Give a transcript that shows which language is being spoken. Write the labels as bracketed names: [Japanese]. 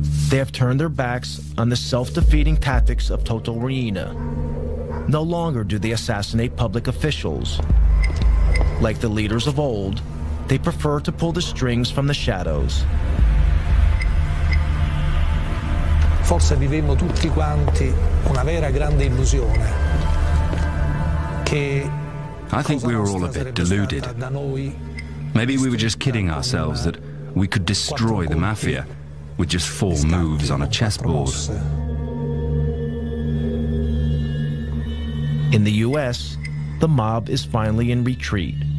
[English] They have turned their backs on the self-defeating tactics of Toto Reina. No longer do they assassinate public officials. Like the leaders of old, they prefer to pull the strings from the shadows. [Italian] Forse vivemmo tutti quanti una vera grande illusione che [English] I think we were all a bit deluded. Maybe we were just kidding ourselves that we could destroy the Mafia with just four moves on a chessboard. In the US, the mob is finally in retreat.